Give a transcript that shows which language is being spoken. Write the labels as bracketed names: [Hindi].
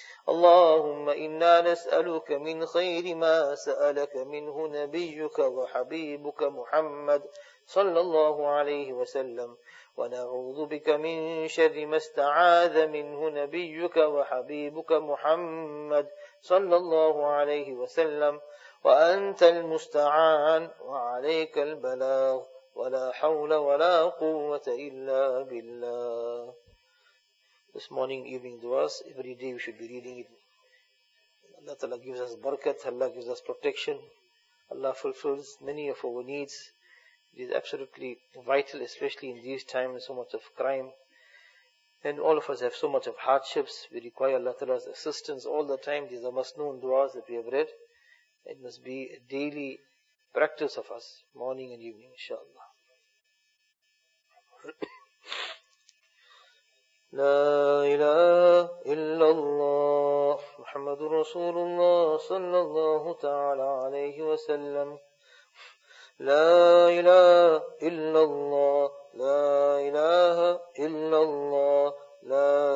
[Arabic] اللهم إنا نسألك من خير ما سألك منه نبيك وحبيبك محمد صلى الله عليه وسلم ونعوذ بك من شر ما استعاذ منه نبيك وحبيبك محمد صلى الله عليه وسلم وأنت المستعان وعليك البلاغ ولا حول ولا قوة إلا بالله. [English] This morning, evening duas, every day we should be reading it. Allah Ta'ala gives us barakat, Allah gives us protection, Allah fulfills many of our needs. It is absolutely vital, especially in these times, so much of crime. And all of us have so much of hardships, we require Allah Ta'ala's assistance all the time. These are masnoon duas that we have read. It must be a daily practice of us, morning and evening, inshaAllah. [Arabic] لا إله إلا الله محمد رسول الله صلى الله تعالى عليه وسلم لا إله إلا الله لا إله إلا الله لا